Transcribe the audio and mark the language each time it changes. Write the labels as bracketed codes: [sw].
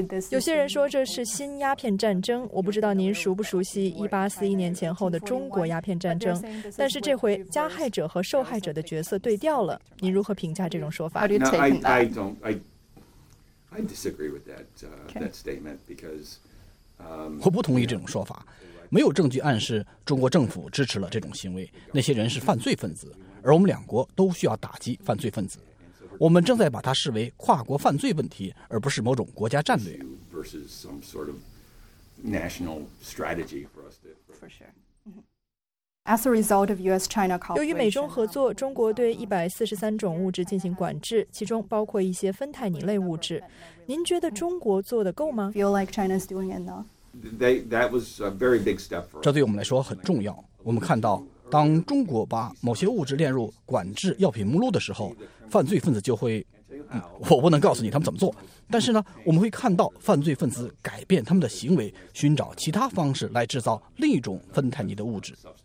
[zh] 有些人说这是新鸦片战争，我不知道您熟不熟悉1841年前后的中国鸦片战争，但是这回加害者和受害者的角色对调了，您如何评价这种说法？ [en] I disagree with that statement because. [zh] 我不同意这种说法，没有证据暗示中国政府支持了这种行为。那些人是犯罪分子，而我们两国都需要打击犯罪分子。我们正在把它视为跨国犯罪问题，而不是某种国家战略。 [en] Versus some sort of national strategy for us to. For sure. As a result of U.S.-China cooperation, [zh] 由于美中合作，中国对143种物质进行管制，其中包括一些芬太尼类物质。您觉得中国做得够吗 [en] ？Feel like China's doing enough? That was a very big step for us. [zh] 这对我们来说很重要。我们看到，当中国把某些物质列入管制药品目录的时候，犯罪分子就会，我不能告诉你他们怎么做，但是呢，我们会看到犯罪分子改变他们的行为，寻找其他方式来制造另一种芬太尼的物质。